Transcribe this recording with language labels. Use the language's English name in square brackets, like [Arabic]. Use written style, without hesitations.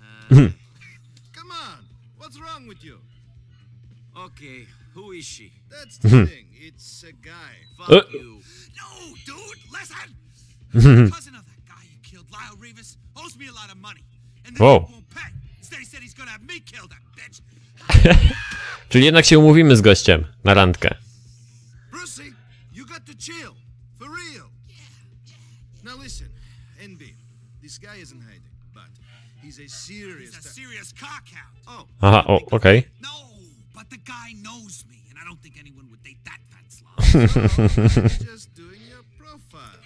[English] Come on, what's wrong with you? Okay, who is she? That's the thing, it's a guy. Fuck you. No, dude, listen! Cousin of that guy you killed, Lyle Revis, owes me a lot of money. And then he won't pay. Instead he said he's gonna have me kill that bitch. [Polish] Czyli jednak się umówimy z gościem na randkę. [English] Brucey, you got to chill. For real. Now listen, NB, this guy isn't hiding, but he's a serious... He's a serious cockhound. Oh. Aha, oh, okay. No, but the guy knows me, and I don't think anyone would date that fat slob. Just doing your profile.